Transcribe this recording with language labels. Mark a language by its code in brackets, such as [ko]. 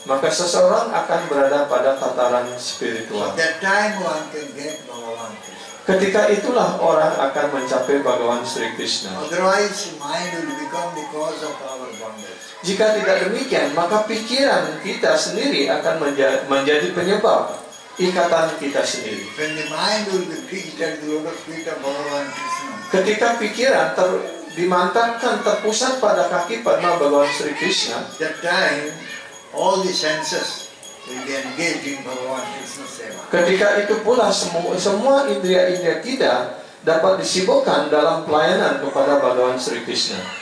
[id] Maka seseorang akan berada pada tataran spiritual. [en] So that time one can get Bhagawan Krishna. [id] Ketika itulah orang akan mencapai Bhagawan Sri Krishna. [en] Otherwise, mind will become the cause of our bondage. [id] Jika tidak demikian, maka pikiran kita sendiri akan menjadi penyebab ikatan kita sendiri. [en] When the mind will be fixed at the lotus feet of Bhagawan Krishna, [id] ketika pikiran dimantapkan terpusat pada kaki Padma Bhagawan Sri Krishna, [en] that time all the senses will be engaged in Bhagawan Krishna seva. [id] Ketika itu pula semua indria-indria kita dapat disibukkan dalam pelayanan kepada Bhagawan Sri Krishna.